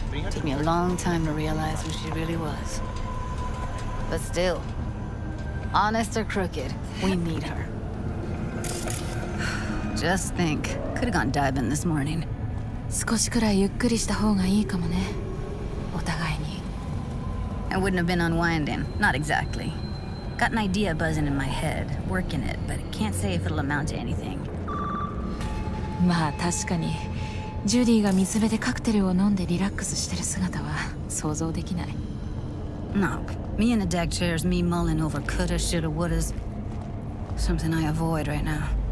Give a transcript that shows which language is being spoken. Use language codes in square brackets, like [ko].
[en] Took me a long time to realize who she really was. But still, honest or crooked, we need her. Just think, could have gone diving this morning. [ja] 少しくらいゆっくりした方がいいかもね。お互いに。 [en] I wouldn't have been unwinding, not exactly. Got an idea buzzing in my head, working it, but can't say if it'll amount to anything. [ja] まあ確かにジュディが水辺でカクテルを飲んでリラックスしてる姿は想像できない。 [en] No, me and the deck chairs, me mulling over coulda, shoulda, wouldas. Something I avoid right now.